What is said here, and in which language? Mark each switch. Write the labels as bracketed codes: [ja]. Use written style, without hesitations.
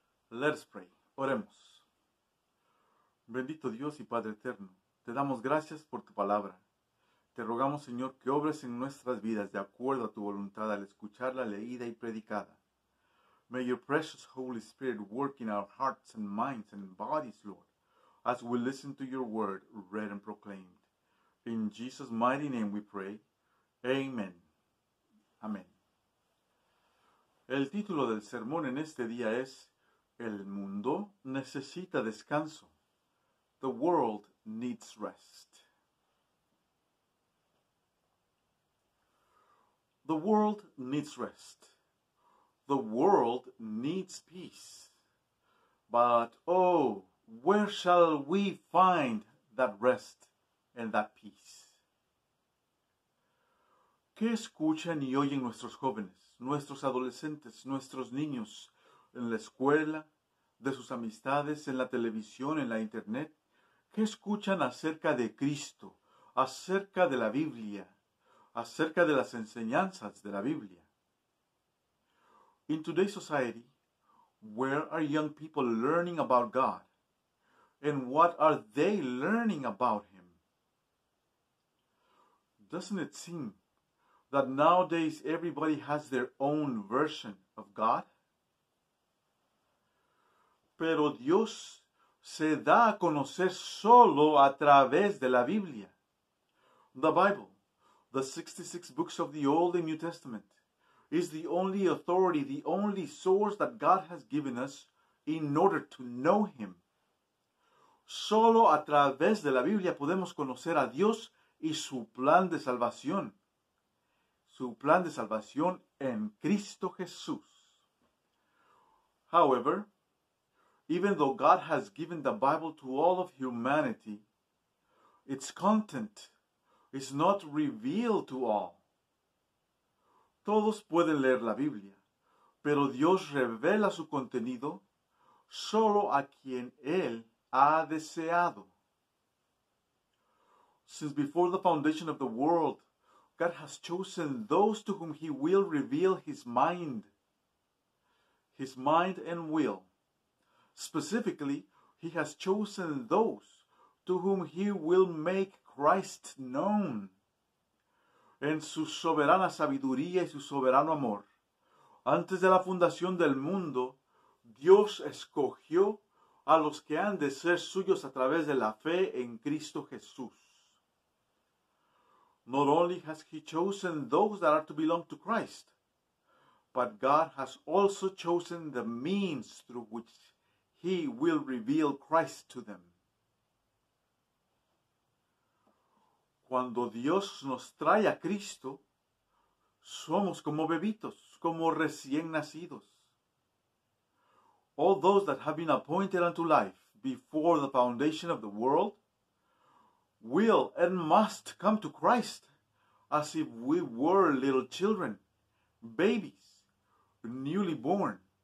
[en] Let us pray. [es] Oremos. Bendito Dios y Padre eterno, te damos gracias por tu palabra. Te rogamos, Señor, que obres en nuestras vidas de acuerdo a tu voluntad al escucharla leída y predicada. [en] May your precious Holy Spirit work in our hearts and minds and bodies, Lord, as we listen to your word read and proclaimed. In Jesus' mighty name we pray. Amen. Amén. [es] El título del sermón en este día es El mundo necesita descanso. [en] The world needs rest. The world needs rest. The world needs peace. But oh, where shall we find that rest and that peace? [es] ¿Qué escuchan y oyen nuestros jóvenes, nuestros adolescentes, nuestros niños, en la escuela, de sus amistades, en la televisión, en la internet? ¿Qué escuchan acerca de Cristo, acerca de la Biblia, acerca de las enseñanzas de la Biblia? [en] In today's society, where are young people learning about God? And what are they learning about Him? Doesn't it seem that nowadays everybody has their own version of God? [es] Pero Dios se da a conocer solo a través de la Biblia. [en] The Bible, the 66 books of the Old and New Testament, is the only authority, the only source that God has given us in order to know Him. [es] Solo a través de la Biblia podemos conocer a Dios y su plan de salvación. Su plan de salvación en Cristo Jesús. [en] However, even though God has given the Bible to all of humanity, its content is not revealed to all. [es] Todos pueden leer la Biblia, pero Dios revela su contenido solo a quien Él ha deseado. [en] Since before the foundation of the world, God has chosen those to whom He will reveal His mind. His mind and will. Specifically, He has chosen those to whom He will make Christ known. [es] En su soberana sabiduría y su soberano amor, antes de la fundación del mundo, Dios escogió a los que han de ser suyos a través de la fe en Cristo Jesús. [en] Not only has He chosen those that are to belong to Christ, but God has also chosen the means through which He will reveal Christ to them. [es] Cuando Dios nos trae a Cristo, somos como bebitos, como recién nacidos. [en] All those that have been appointed unto life before the foundation of the world will and must come to Christ as if we were little children, babies, newly born.